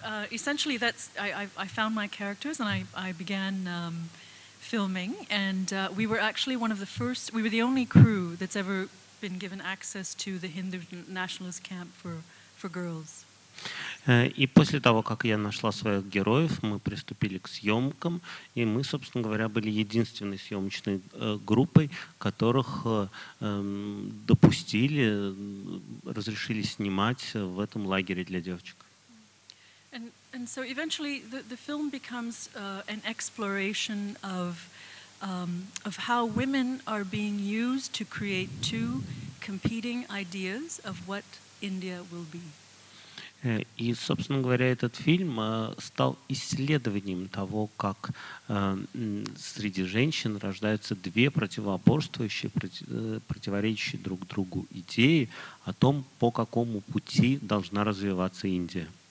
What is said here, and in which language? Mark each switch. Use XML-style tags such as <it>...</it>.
<en>Essentially, that's I found my characters and I began filming. And we were actually one of the first, we were the only crew that's ever been given access to the Hindu nationalist camp for girls.</en> <ru>И после того, как я нашла своих героев, мы приступили к съемкам, и мы, собственно говоря, были единственной съемочной группой, которых допустили, разрешили снимать в этом лагере для девочек.</ru> <en>And so eventually the film becomes an exploration of how women are being used to create two competing ideas of what India will be.</en> <ru>И, собственно говоря, этот фильм стал исследованием того, как среди женщин рождаются две противоборствующие, противоречащие друг другу идеи о том, по какому пути должна развиваться Индия.</ru>